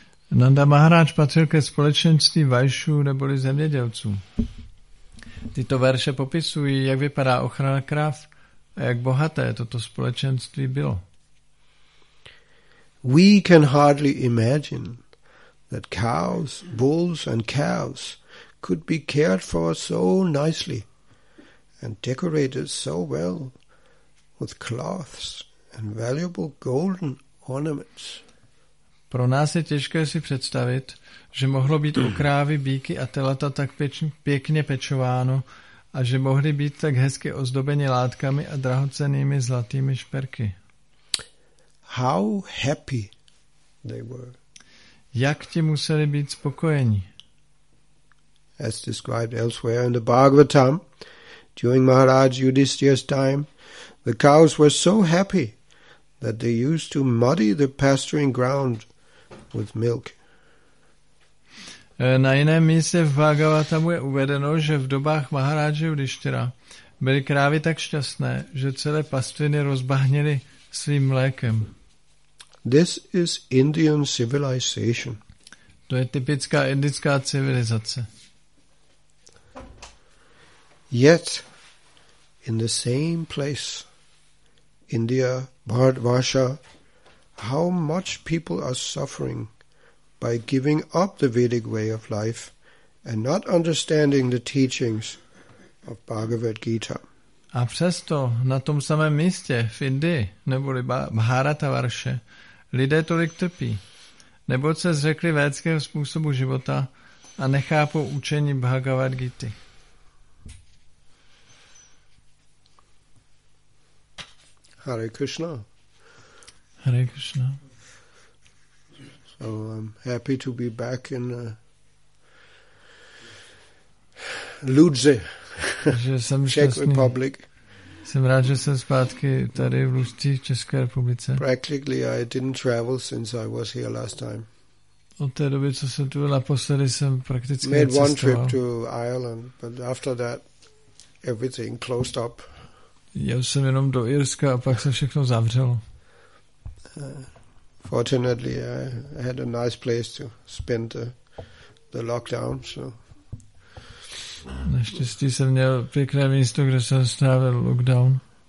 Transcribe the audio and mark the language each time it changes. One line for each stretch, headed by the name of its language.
Czech: Nanda Maharaj patřil ke společenství Vaishů neboli zemědělců. Tyto verše popisují, jak vypadá ochrana krav a jak bohaté toto společenství bylo.
English: We can hardly imagine that cows, bulls and calves could be cared for so nicely and decorated so well with cloths and valuable golden ornaments.
Czech: Pro nás je těžké si představit, že mohlo být u krávy, býky a telata tak pěkně pečováno a že mohly být tak hezky ozdobeni látkami a drahocennými zlatými šperky.
English: How happy they were.
Czech: Jak ti museli být spokojeni?
English: As described elsewhere in the Bhagavatam, during Maharaj Yudhisthira's time, the cows were so happy that they used to muddy the pasturing ground with milk.
Czech: Na jiném místě v Bhagavatamu je uvedeno, že v dobách Maharáže Yudhishthira byly krávy tak šťastné, že celé pastviny rozbahnily svým mlékem.
English: This is Indian civilization.
Czech: To je typická indická civilizace.
English: Yet in the same place, India, Bharatvarsha, how much people are suffering by giving up the Vedic way of life and not understanding the teachings of Bhagavad Gita.
Czech: A přesto na tom samém místě v Indii, neboli Bharatavarše, lidé tolik trpí, neboť se zřekli védského způsobu života a nechápou učení Bhagavad Gita.
Sanskrit: Hare Krishna. Hare Krishna.
English: So I'm happy to be back in Lodz, Czech Republic.
Czech: Jsem rád, že jsem zpátky tady v Lodzi, v České republice.
English: Practically I didn't travel since I was here last time.
Czech: Od té doby, co jsem tu naposledy, jsem prakticky made cestoval.
English: One trip to Ireland, but after that everything closed up.
Czech: Jel jsem jenom do Irska a pak se všechno zavřelo.
English: Fortunately, I had a nice place to spend the lockdown, so.
Czech: Naštěstí jsem měl pěkné místo, kde jsem strávil lockdown.